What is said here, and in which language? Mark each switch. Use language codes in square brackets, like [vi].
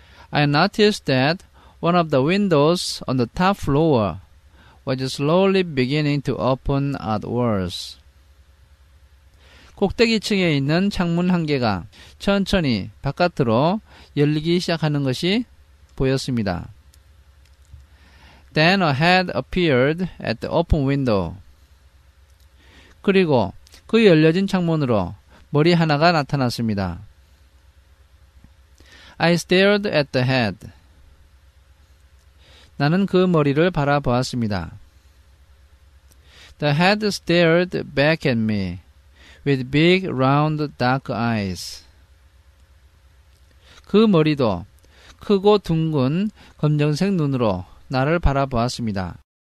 [en] I noticed that one of the windows on the top floor was slowly beginning to open outwards. [ko] 꼭대기층에 있는 창문 한 개가 천천히 바깥으로 열리기 시작하는 것이 보였습니다. [en] Then a head appeared at the open window. [ko] 그리고 그 열려진 창문으로 머리 하나가 나타났습니다. [en] I stared at the head. [ko] 나는 그 머리를 바라보았습니다. [en] The head stared back at me with big round dark eyes. [ko] 그 머리도 크고 둥근 검정색 눈으로 나를 바라보았습니다.